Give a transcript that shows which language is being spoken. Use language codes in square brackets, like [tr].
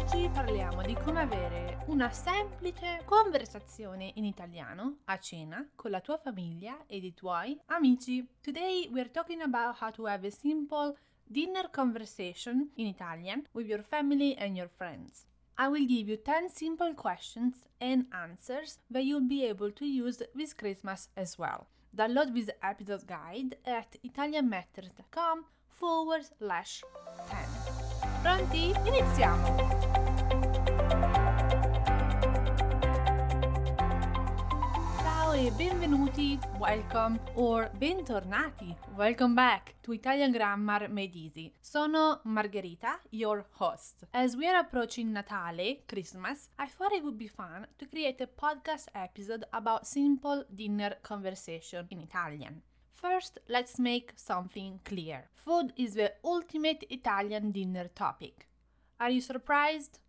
[it] parliamo di come avere una semplice conversazione in italiano a cena con la tua famiglia e i tuoi amici. [en] Today we're talking about how to have a simple dinner conversation in Italian with your family and your friends. I will give you 10 simple questions and answers that you'll be able to use this Christmas as well. Download this episode guide at italianmatters.com/10. [it] Pronti? Iniziamo! Ciao e benvenuti, [en] welcome, or [it] bentornati, [en] welcome back to Italian Grammar Made Easy. [it] Sono [en] Margherita, your host. As we are approaching Natale, Christmas, I thought it would be fun to create a podcast episode about simple dinner conversation in Italian. First, let's make something clear. Food is the ultimate Italian dinner topic. Are you surprised?